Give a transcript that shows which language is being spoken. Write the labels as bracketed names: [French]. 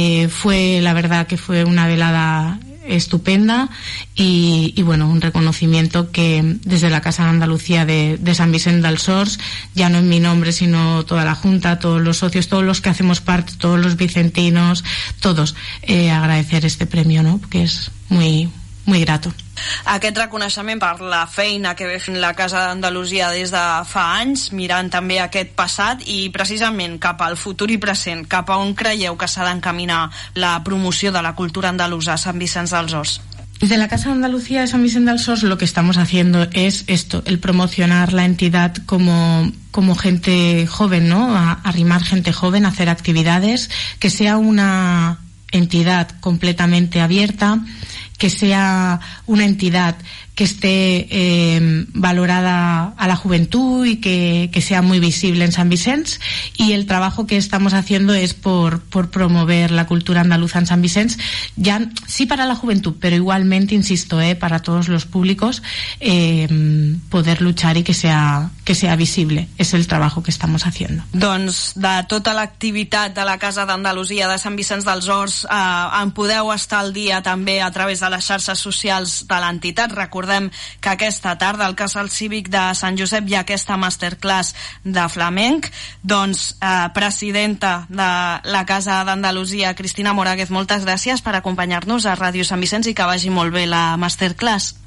[Spanish] Fue, la verdad, que fue una velada estupenda y bueno, un reconocimiento que desde la Casa de Andalucía de San Vicenç dels Horts, ya no en mi nombre sino toda la Junta, todos los socios, todos los que hacemos parte, todos los vicentinos, todos, agradecer este premio, ¿no? Que es muy, muy grato. [Catalan] Aquest reconeixement per la feina que ve fent la Casa d'Andalusia des de fa anys, mirant també aquest passat i precisament cap al futur i present, cap a on creieu que s'ha d'encaminar la promoció de la cultura andalusa a Sant Vicenç dels Horts? [Spanish] De la Casa de Andalucía de San Vicenç dels Horts lo que estamos haciendo es esto, el promocionar la entidad como gente joven, ¿no? A arrimar gente joven, a hacer actividades, que sea una entidad completamente abierta, que sea una entidad que esté valorada a la juventud y que sea muy visible en San Vicenç. Y el trabajo que estamos haciendo es por promover la cultura andaluza en San Vicenç, ya sí para la juventud, pero igualmente, insisto, para todos los públicos, poder luchar y que sea visible. Es el trabajo que estamos haciendo. [Catalan] Doncs de tota l'activitat de la Casa d'Andalusia de Sant Vicenç dels Horts, en podeu estar al dia també a través de les xarxes socials de l'entitat. Recordem que aquesta tarda al Casal Cívic de Sant Josep hi ha aquesta masterclass de flamenc. Doncs, presidenta de la Casa d'Andalusia, Cristina Moragues, moltes gràcies per acompanyar-nos a Ràdio Sant Vicenç i que vagi molt bé la masterclass.